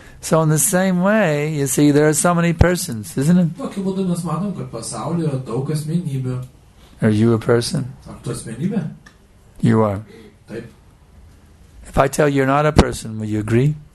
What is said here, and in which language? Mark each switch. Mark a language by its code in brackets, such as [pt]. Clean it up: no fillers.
[en] So in the same way, you see, there are so many persons, isn't it? [lt] Tokiu būdu mes matom, kad pasaulyje yra daug asmenybių. [en] Are you a person? [lt] Ar tu asmenybė? [en] You are. [lt] Taip. [en] If I tell you you're not a person, will you agree?